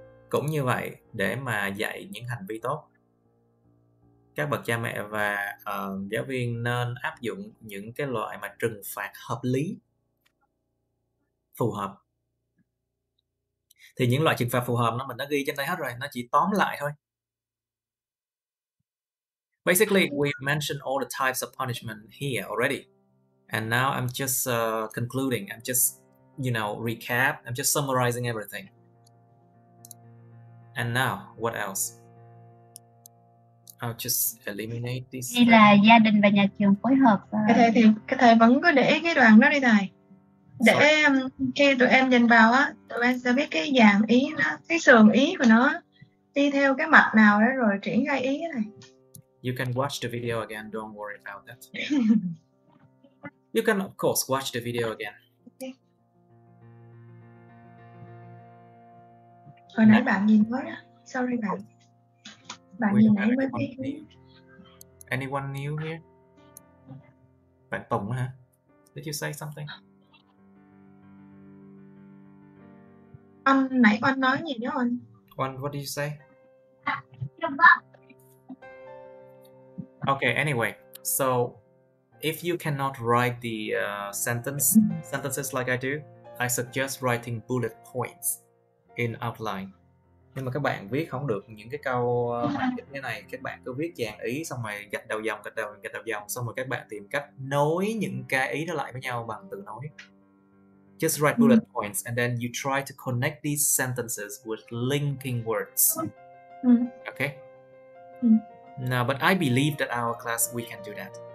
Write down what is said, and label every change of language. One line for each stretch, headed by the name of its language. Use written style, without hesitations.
Vietnamese: Cũng như vậy, để mà dạy những hành vi tốt, các bậc cha mẹ và giáo viên nên áp dụng những cái loại mà trừng phạt hợp lý, phù hợp. Thì những loại trừng phạt phù hợp nó mình đã ghi trên đây hết rồi, nó chỉ tóm lại thôi.
English: Basically, we mentioned all the types of punishment here already. And now I'm just concluding, I'm just, you know, recap, I'm just summarizing everything. And now, what else? I'll just eliminate this.
Vietnamese: Thì là gia đình và nhà trường phối hợp. Cái thầy thì cái thầy vẫn cứ để cái đoạn đó đi thầy. Để khi tụi em nhìn vào á, tụi em sẽ biết cái dạng ý nó, cái sườn ý của nó đi theo cái mặt nào đó rồi triển khai ý này.
English: You can watch the video again, don't worry about that. You can of course watch the video again. Okay.
Vietnamese: Hồi nãy bạn nhìn mới á. Sorry bạn. Bạn nhìn
English: anyone new here?
Vietnamese: Bạn Tùng hả?
English: Did you say something?
Vietnamese: Anh nãy anh nói gì đó anh?
English: One, what did you say? Okay, anyway, so if you cannot write the sentences like I do, I suggest writing bullet points in outline.
Vietnamese: Nhưng mà các bạn viết không được những cái câu mạng như thế này, các bạn cứ viết dàn ý xong rồi gạch đầu dòng xong rồi các bạn tìm cách nối những cái ý đó lại với nhau bằng từ nối.
English: Just write bullet points and then you try to connect these sentences with linking words. Okay? No, but I believe that our class we can do that.